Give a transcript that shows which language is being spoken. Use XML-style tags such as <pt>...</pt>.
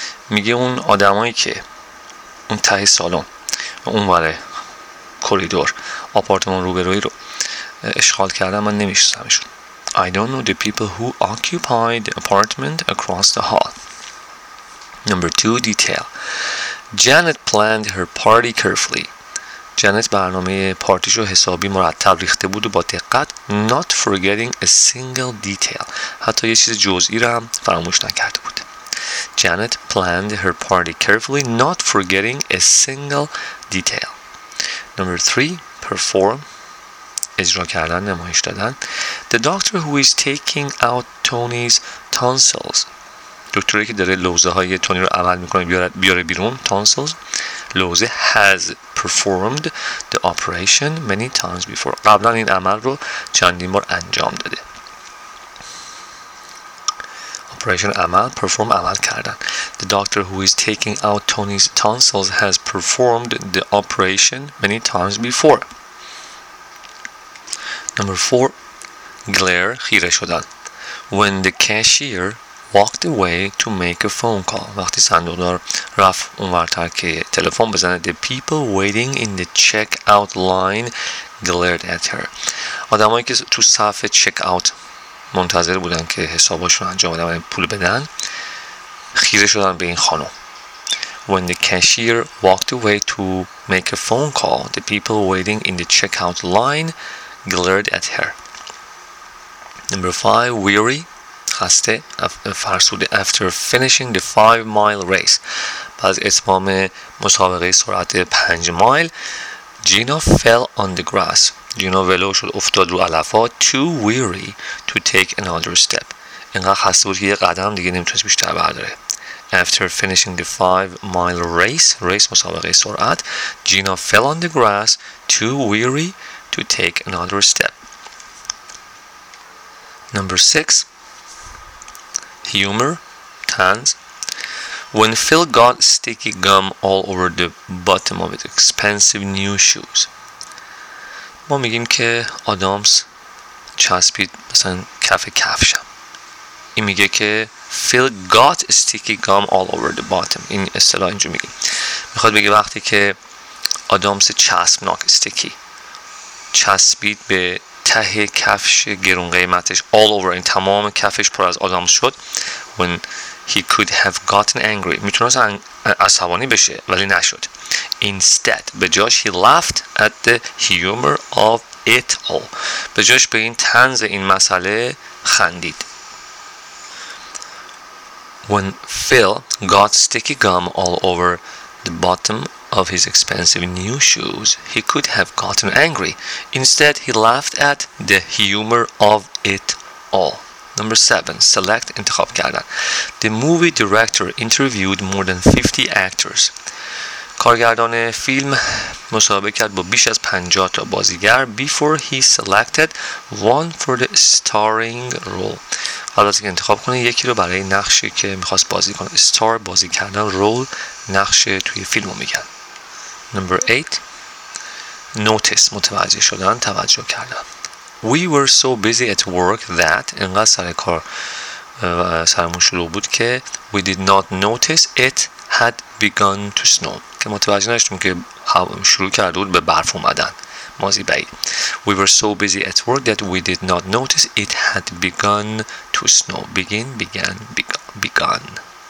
<fa>میگه اون آدمایی که اون ته سالن و اونور کوریدور آپارتمان روبروی رو اشغال کردن من نمیشناسمشون.</fa> <en>I don't know the people who occupy the apartment across the hall. Number two, detail. Janet planned her party carefully.</en> <fa>Janet برنامه پارتیشو حسابی مرتب ریخته بود و با دقت,</fa> <en>not forgetting a single detail.</en> <fa>حتی یه چیز جزئی رو هم فراموش نکرده بود.</fa> <en>Janet planned her party carefully, not forgetting a single detail. Number three, perform.</en> <fa>اجرا کردن, نمایش دادن.</fa> <en>The doctor who is taking out Tony's tonsils.</en> <fa>دکتری که داره لوزه های تونی رو عمل میکنه بیاره بیرون, tonsils, لوزه,</fa> <en>has performed the operation many times before.</en> <fa>قبلا این عمل رو چندین بار انجام داده. Operation, عمل, perform, عمل کردن.</fa> <en>The doctor who is taking out Tony's tonsils has performed the operation many times before. Number four, glare,</en> <fa>خیره شدن.</fa> <en>When the cashier walked away to make a phone call,</en> <fa>وقتی صندوقدار رفت اونورتر که تلفن بزنه,</fa> <en>the people waiting in the checkout line glared at her.</en> <fa>آدمایی که تو صف checkout منتظر بودن که حساباشون انجام بدن پول بدن, خیره شدن به این خانم.</fa> <en>When the cashier walked away to make a phone call, the people waiting in the checkout line glared at her. Number five, weary,</en> <fa>خسته, فرسوده.</fa> <en>After finishing the 5-mile race,</en> <fa>بعد اتمام مسابقه سرعت 5 مایل,</fa> <en>Gina fell on the grass. Gina</en> <fa>ولو شد, افتاد رو علفا.</fa> <en>Too weary to take another step.</en> <fa>اینقدر خسته بود که یه قدم دیگه نمیتونست بیشتر برداره.</fa> <en>After finishing the 5-mile race, race</en> <fa>مسابقه سرعت,</fa> <en>Gina fell on the grass. Too weary to take another step. Number six, humor, tans. When Phil got sticky gum all over the bottom of his expensive new shoes.</en> <fa>ما میگیم که آدامز چسبید مثلا کف کفشم. این میگه که</fa> <en>Phil got sticky gum all over the bottom.</en> <fa>این اصطلاح اینجور میگیم. میخواد بگه وقتی که آدامز چسبناک sticky چسبید به ته کفش گرون قیمتش,</fa> <en>all over,</en> <fa>این تمام کفش پر از آدامز شد.</fa> <en>When he could have gotten angry,</en> <fa>میتونست عصبانی بشه ولی نشد.</fa> <en>Instead,</en> <fa>به جاش,</fa> <en>he laughed at the humor of it all.</en> <fa>به جاش به این طنز این مسئله خندید.</fa> <en>When Phil got sticky gum all over the bottom of his expensive new shoes, he could have gotten angry. Instead, he laughed at the humor of it all. Number 7. Select,</en> <fa>انتخاب کردن.</fa> <en>The movie director interviewed more than 50 actors.</en> <fa>کارگردان فیلم مصاحبه کرد با بیش از 50 تا بازیگر</fa> <en>before he selected one for the starring role.</en> <fa>قبل از اینکه انتخاب کنه یکی رو برای نقشی که میخواست بازی کنه. Star, بازی کردن. Role, نقش توی فیلم رو میگن.</fa> <en>Number 8.</en> <fa>Notice, متوجه شدن, توجه کردن.</fa> <en>We were so busy at work that,</en> <fa>انقدر سر کار سرمون شروع بود که</fa> <en>we did not notice it had begun to snow.</en> <fa>که متوجه نشدیم که شروع کرده بود به برف اومدن. ماضی بعید.</fa> <en>We were so busy at work that we did not notice it had begun to snow. Begin, began, begun.</en>